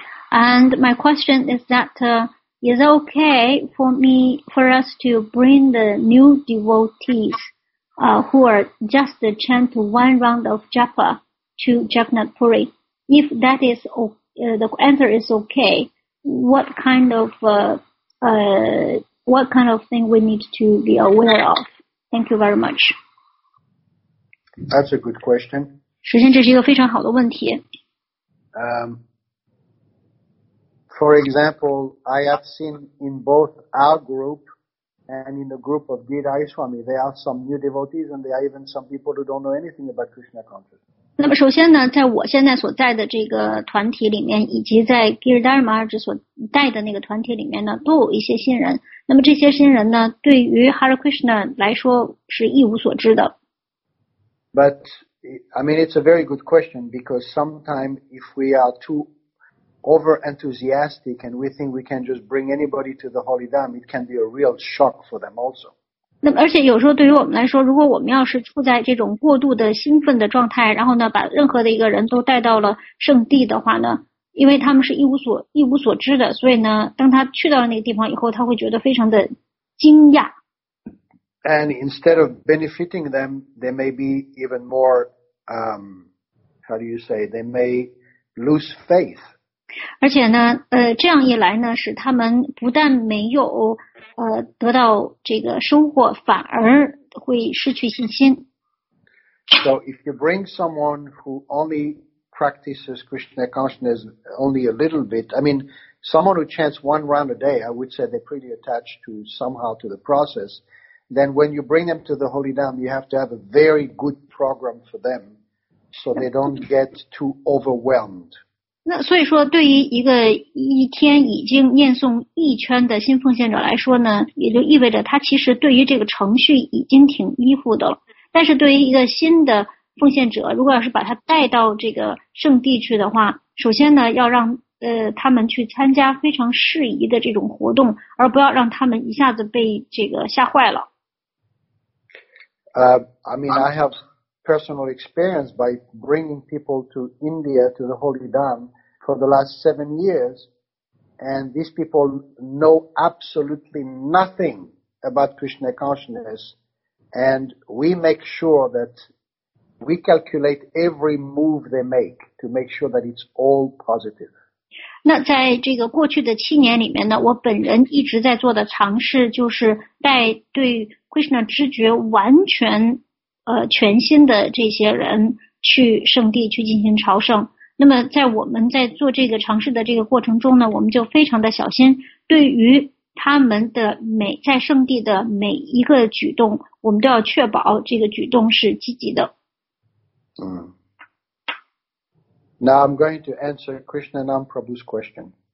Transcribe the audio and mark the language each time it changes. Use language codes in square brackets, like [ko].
[en] And my question is that, is it okay for us to bring the new devotees, who are just chant one round of japa to Jagannath Puri? If that is the answer is okay, what kind of thing we need to be aware of? Thank you very much. That's a good question. [zh] 首先，这是一个非常好的问题。 [en] For example, I have seen in both our group and in the group of Gita Iswami, there are some new devotees and there are even some people who don't know anything about Krishna consciousness. [zh] 那么首先呢，在我现在所在的这个团体里面，以及在 Giridharmaji 所带的那个团体里面呢，都有一些新人。那么这些新人呢，对于 Hare Krishna 来说是一无所知的。 [en] But, I mean, it's a very good question because sometimes if we are too over-enthusiastic and we think we can just bring anybody to the Holy Dham, it can be a real shock for them also. [zh] 那么而且有时候对于我们来说，如果我们要是处在这种过度的兴奋的状态，然后呢把任何的一个人都带到了圣地的话呢，因为他们是一无所知的，所以呢当他去到了那个地方以后，他会觉得非常的惊讶。 [en] And instead of benefiting them, they may be even more, how do you say, they may lose faith. [zh] 而且呢这样一来呢使他们不但没有得到这个收获，反而会失去信心。 [en] So if you bring someone who only practices Krishna consciousness only a little bit, I mean, someone who chants one round a day, I would say they're pretty attached to somehow to the process. Then when you bring them to the Holy Dham, you have to have a very good program for them so they don't get too overwhelmed. [zh] 那所以说对于一个一天已经念诵一圈的新奉献者来说呢，也就意味着他其实对于这个程序已经挺依附的了。但是对于一个新的奉献者，如果要是把他带到这个圣地去的话，首先呢要让他们去参加非常适宜的这种活动，而不要让他们一下子被这个吓坏了。 [en] I mean, I have personal experience by bringing people to India to the Holy Dham for the last 7 years, and these people know absolutely nothing about Krishna consciousness, and we make sure that we calculate every move they make to make sure that it's all positive. [zh] 那在这个过去的七年里面呢，我本人一直在做的尝试就是带对Krishna 知觉完全全新的这些人去圣地去进行朝圣。那么在我们在做这个尝试的这个过程中呢，我们就非常的小心，对于他们的每在圣地的每一个举动，我们都要确保这个举动是积极的。 [en] Now I'm going to answer Krishna Nam Prabhu's question.